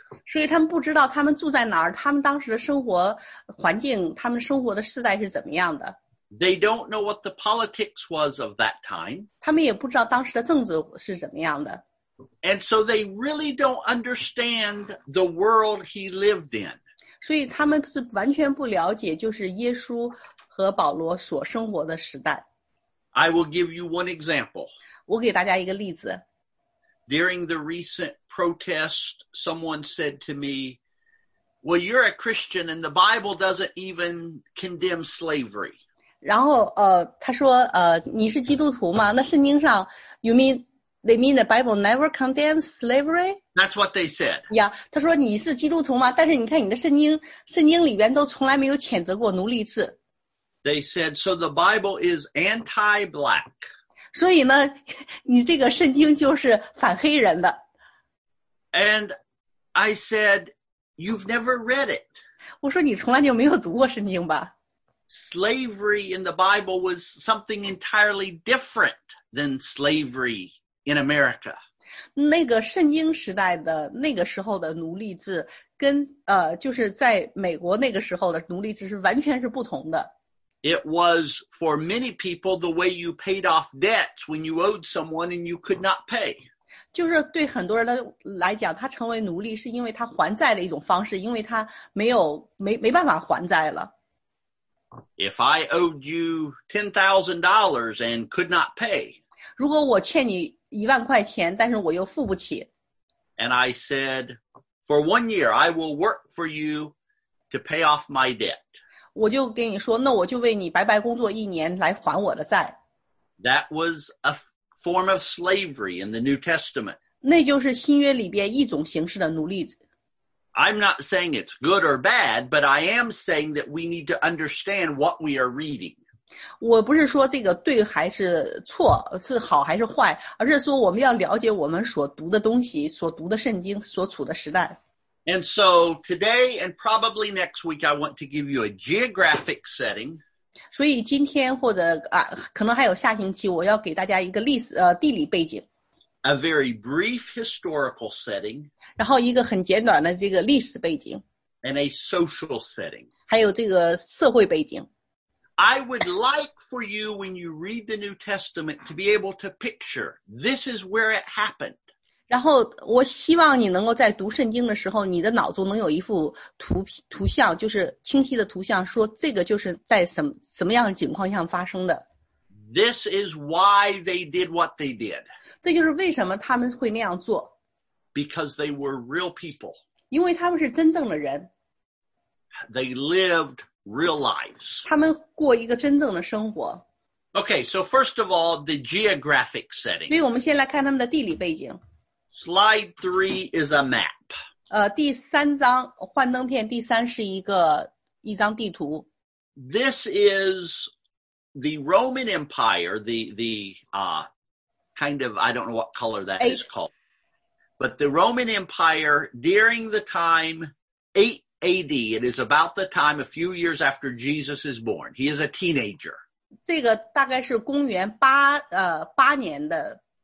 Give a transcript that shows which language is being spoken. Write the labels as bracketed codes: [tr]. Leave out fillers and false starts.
[zh] 所以他们不知道他们住在哪儿，他们当时的生活环境，他们生活的世代是怎么样的。 [en] They don't know what the politics was of that time. [zh] 他们也不知道当时的政治是怎么样的。 [en] And so they really don't understand the world he lived in. [zh] 所以他们是完全不了解就是耶稣和保罗所生活的时代。 [en] I will give you one example. [zh] 我给大家一个例子。 [en] During the recent protest, someone said to me, well, you're a Christian and the Bible doesn't even condemn slavery. [zh] 然后他说你是基督徒吗？那圣经上 [en] ，you mean they mean the Bible never condemns slavery? That's what they said. [zh] Yeah, 他说你是基督徒吗？但是你看你的圣经里边都从来没有谴责过奴隶制。 [en] They said so. The Bible is anti-black. [zh] 所以呢，你这个圣经就是反黑人的。 [en] And I said you've never read it. [zh] 我说你从来就没有读过圣经吧？ [en] Slavery in the Bible was something entirely different than slavery in America. [zh] 那个圣经时代的那个时候的奴隶制跟就是在美国那个时候的奴隶制是完全是不同的。 [en] It was for many people the way you paid off debts when you owed someone and you could not pay. [zh] 就是对很多人来讲，他成为奴隶是因为他还债的一种方式，因为他没办法还债了。 [en] If I owed you $10,000 and could not pay. [zh] 如果我欠你一万块钱，但是我又付不起。 [en] And I said, for 1 year, I will work for you to pay off my debt. [zh] 我就跟你说，那我就为你白白工作一年来还我的债。 [en] That was a form of slavery in the New Testament. [zh] 那就是新约里边一种形式的奴隶。 [en] I'm not saying it's good or bad, but I am saying that we need to understand what we are reading. [zh] 我不是说这个对还是错，是好还是坏，而是说我们要了解我们所读的东西，所读的圣经，所处的时代。 [en] And so today and probably next week, I want to give you a geographic setting. [zh] 所以今天或者可能还有下星期，我要给大家一个历史地理背景。 [en] A very brief historical setting. [zh] 然后一个很简短的这个历史背景。 [en] And a social setting. [zh] 还有这个社会背景。 [en] I would like for you, when you read the New Testament, to be able to picture this is where it happened. [zh] 然后我希望你能够在读圣经的时候，你的脑中能有一幅图像，就是清晰的图像，说这个就是在什么样的情况下发生的。 [en] This is why they did what they did. [zh] 这就是为什么他们会那样做。 [en] Because they were real people. [zh] 因为他们是真正的人。 [en] They lived real lives. [zh] 他们过一个真正的生活。 [en] Okay, so first of all, the geographic setting. [zh] 所以我们先来看他们的地理背景。 [en] Slide 3 is a map. [zh] 第三张幻灯片第三是一张地图。 [en] This is the Roman Empire, I don't know what color that is called. But the Roman Empire during the time 8 AD, it is about the time a few years after Jesus is born. He is a teenager. [zh] 这个大概是公元八年的。